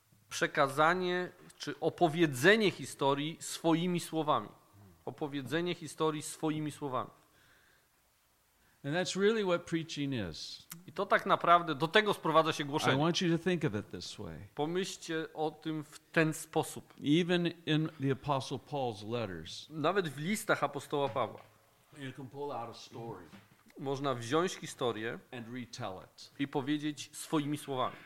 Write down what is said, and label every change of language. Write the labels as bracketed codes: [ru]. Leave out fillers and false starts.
[pl] Przekazanie czy opowiedzenie historii swoimi słowami. Opowiedzenie historii swoimi słowami. [en] And that's really what preaching is. [pl] I to tak naprawdę do tego sprowadza się głoszenie. [en] I want you to think of it this way. [pl] Pomyślcie o tym w ten sposób. [en] Even in the Apostle Paul's letters. [pl] Nawet w listach apostoła Pawła. [en] You can pull out a story. [pl] Można wziąć historię [en] and retell it. [pl] I powiedzieć swoimi słowami.